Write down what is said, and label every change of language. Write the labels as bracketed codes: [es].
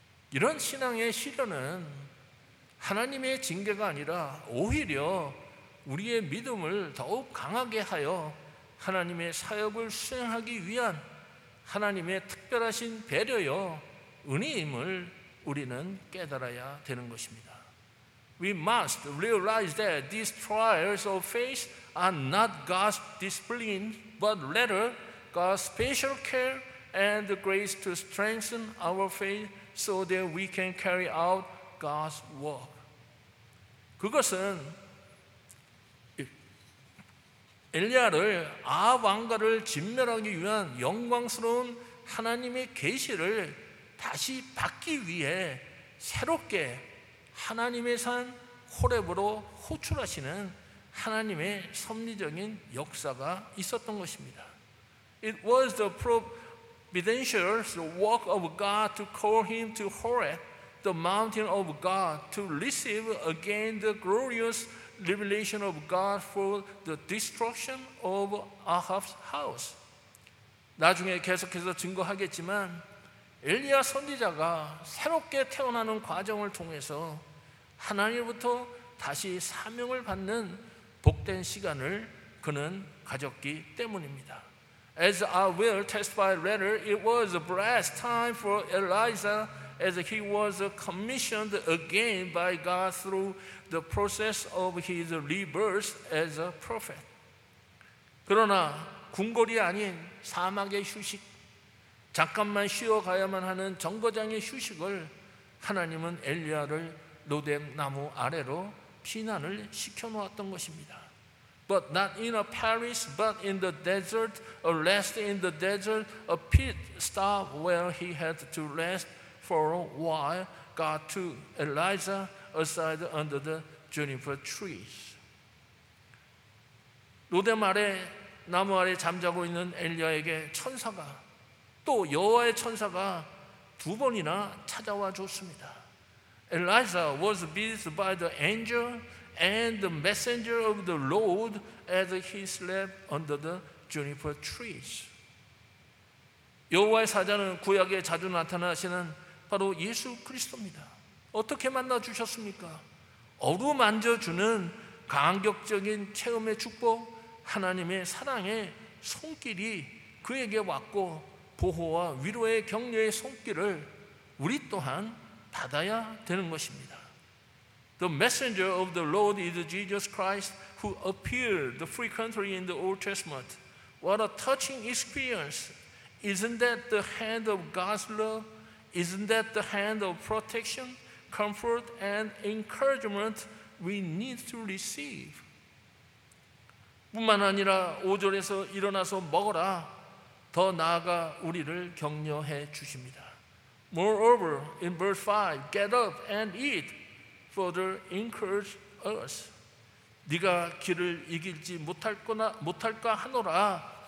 [ko] 이런 신앙의 시련은 하나님의 징계가 아니라 오히려 우리의 믿음을 더욱 강하게 하여 하나님의 사역을 수행하기 위한 하나님의 특별하신 배려여 은혜임을 우리는 깨달아야 되는 것입니다. [en] We must realize that these trials of faith are not God's discipline, but rather God's special care and grace to strengthen our faith so that we can carry out God's work. [ko] 그것은 엘리야를 아합 왕가를 진멸하기 위한 영광스러운 하나님의 계시를 다시 받기 위해 새롭게 하나님의 산 호렙으로 호출하시는 하나님의 섭리적인 역사가 있었던 것입니다. [en] It was the providential work of God to call him to Horeb, the mountain of God, to receive again the glorious revelation of God for the destruction of Ahab's house. [ko] 나중에 계속해서 증거하겠지만 엘리야 선지자가 새롭게 태어나는 과정을 통해서 하나님으로부터 다시 사명을 받는 복된 시간을 그는 가졌기 때문입니다. [en] As I will testify later, it was a blessed time for Elijah as he was commissioned again by God through the process of his rebirth as a prophet. [ko] 그러나 궁궐이 아닌 사막의 휴식, 잠깐만 쉬어가야만 하는 정거장의 휴식을 하나님은 엘리야를 로뎀나무 아래로 피난을 시켜놓았던 것입니다. [en] But not in a palace, but in the desert, a rest in the desert, a pit stop where he had to rest for a while, God took Elisha aside under the juniper trees. [ko] 로뎀 아래 나무 아래 잠자고 있는 엘리야에게 천사가 또 여호와의 천사가 두 번이나 찾아와 줬습니다. [en] Elisha was visited by the angel and the messenger of the Lord as he slept under the juniper trees. [ko] 여호와의 사자는 구약에 자주 나타나시는 바로 예수 그리스도입니다. 어떻게 만나 주셨습니까? 어루만져 주는 감격적인 체험의 축복, 하나님의 사랑의 손길이 그에게 왔고 보호와 위로의 격려의 손길을 우리 또한 받아야 되는 것입니다. [en] The messenger of the Lord is Jesus Christ who appeared frequently in the Old Testament. What a touching experience. Isn't that the hand of God's love? Isn't that the hand of protection, comfort, and encouragement we need to receive? [ko] 뿐만 아니라 5절에서 일어나서 먹어라. 더 나아가 우리를 격려해 주십니다. [en] Moreover, in verse 5, get up and eat. Further encourage us. [ko] 네가 길을 이길지 못할까 하노라.